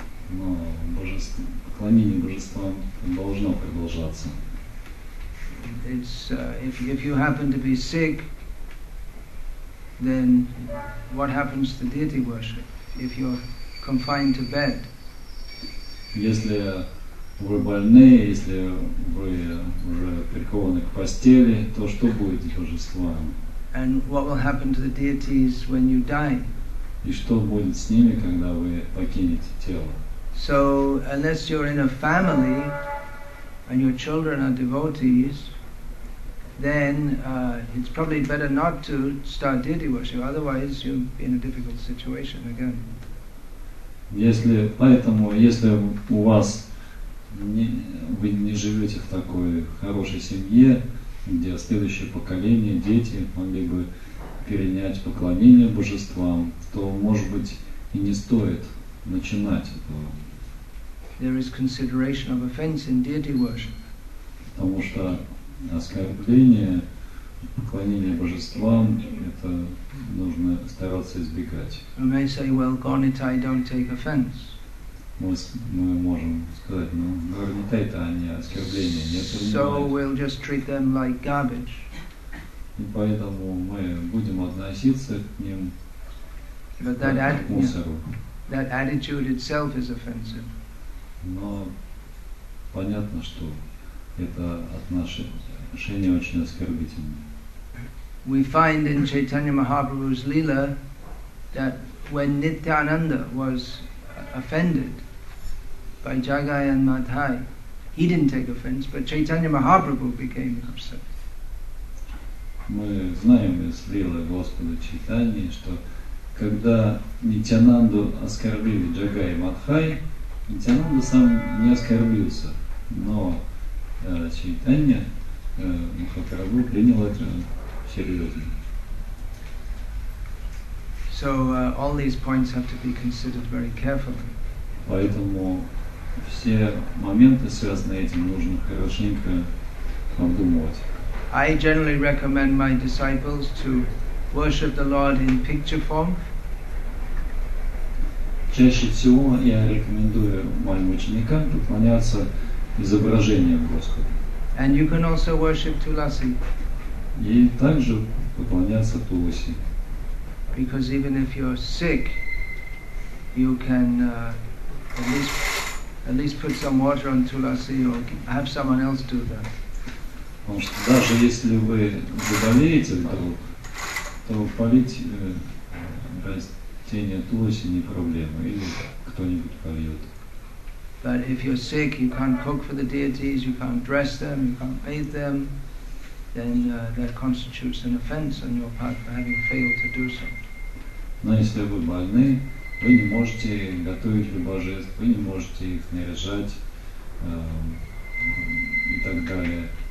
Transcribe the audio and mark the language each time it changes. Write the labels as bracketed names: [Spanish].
[Russian] Но поклонение божествам должно продолжаться. [English] It's if you happen to be sick, then what happens to deity worship if you're confined to bed? [Russian] Если вы больные, если вы уже прикованы к постели, то что будет с божествами? [English] And what will happen to the deities when you die? [Russian] И что будет с ними, когда вы покинете тело? [English] So, unless you're in a family and your children are devotees, then it's probably better not to start deity worship, otherwise you'll be in a difficult situation again. [Russian] Если, поэтому, если у вас не, вы не живете в такой хорошей семье, где следующее поколение, дети могли бы перенять поклонение божествам, то, может быть, и не стоит начинать этого. [English] There is consideration of offense in deity worship. [Russian] Потому что оскорбление, поклонение божествам, это нужно стараться избегать. [English] We may say, well, Gornitai don't take offense. [Russian] Мы можем сказать, ну, Gornitai-то они оскорбления не принимают. [English] So we'll just treat them like garbage. [Russian] И поэтому мы будем относиться к ним к мусору. [English] That attitude itself is offensive. [Russian] Но понятно, что это отношение очень оскорбительное. [English] We find in Chaitanya Mahaprabhu's Leela that when Nityananda was offended by Jagai and Madhai, he didn't take offense, but Chaitanya Mahaprabhu became upset. [Russian] Мы знаем из Лилы Господа Чайтаньи, что когда Нитянанду оскорбили Джагай и Мадхай, Нитянанда сам не оскорбился, но Чайтанья Махапрабху принял это серьезно. [English] So all these points have to be considered very carefully. [Russian] Поэтому все моменты, связанные с этим, нужно хорошенько обдумывать. [English] I generally recommend my disciples to worship the Lord in picture form. [Russian] Чаще всего я рекомендую моим ученикам поклоняться изображением Господа. [English] And you can also worship Tulasi. [Russian] И также поклоняться Туласи. [English] Because even if you're sick, you can at least put some water on Tulasi or have someone else do that. [Russian] Потому что даже если вы заболеете вдруг, то полить растение туласи не проблема, или кто-нибудь польет. [English] But if you're sick, you can't cook for the deities, you can't dress them, you can't bathe them, then that constitutes an offense on your part for having failed to do so. [Russian] Но если вы больны, вы не можете готовить божеств, вы не можете их наряжать и так далее.